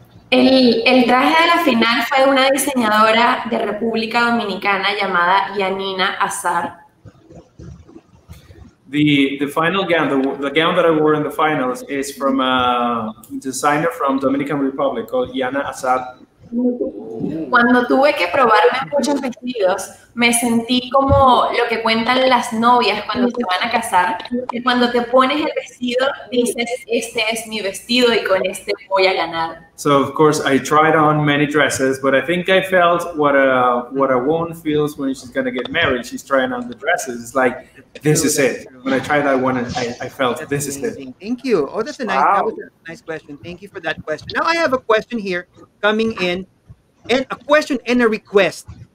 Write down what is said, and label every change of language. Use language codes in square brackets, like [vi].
[es] El traje de la final fue de una diseñadora de República Dominicana llamada Yanina Azar. [en] The final gown, the gown that I wore in the finals is from a designer from Dominican Republic called Yana Azar. [es] Cuando tuve que probarme muchos vestidos, me sentí como lo que cuentan las novias cuando se van a casar. Y cuando te pones el vestido, dices, este es mi vestido y con este voy a ganar. [en] So, of course, I tried on many dresses, but I think I felt what a woman feels when she's going to get married. She's trying on the dresses. It's like, this is it. When I tried that one, I felt this is it. Thank you. Oh, that's a nice, that was a nice question. Thank you for that question. Now I have a question here coming in, and a question and a request.